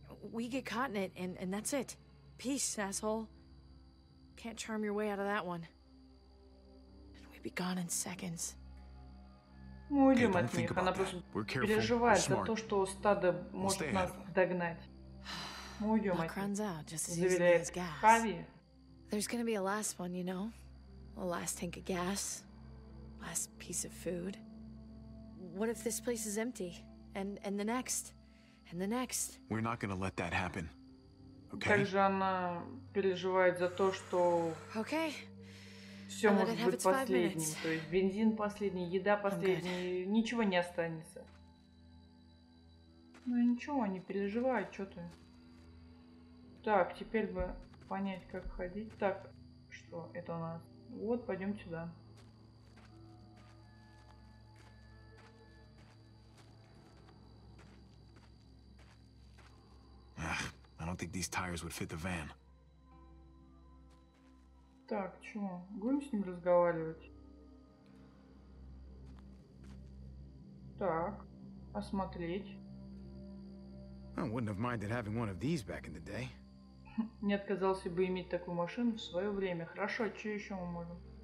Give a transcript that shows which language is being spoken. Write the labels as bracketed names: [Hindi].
[English] We get caught in it, and that's it. Peace, asshole. Can't charm your way out of that one. We'd be gone in seconds. [Russian] Мы уйдем от них. Она просто переживает за то, что стадо может нас догнать. Мы уйдем от них. Заверяет Хави. [English] There's gonna be a last one, you know? A last tank of gas. Last piece of food. What if this place is empty? And the next? And the next? We're not gonna let that happen. Okay? [Russian] Как же она переживает за то, что... [English] Okay. [Russian] Все может быть последним. То есть бензин последний, еда последняя. Ничего не останется. Ну ничего, они переживают, что ты. Так, теперь бы... понять, как ходить. Так, что это у нас? Вот, пойдем сюда. [English] Ugh, I don't think these tires would fit the van. [Russian] Так, чего? Будем с ним разговаривать? Так, осмотреть. [English] I wouldn't have minded having one of these back in the day. [Russian] Не отказался бы иметь такую машину в свое время. Хорошо, а что еще мы можем?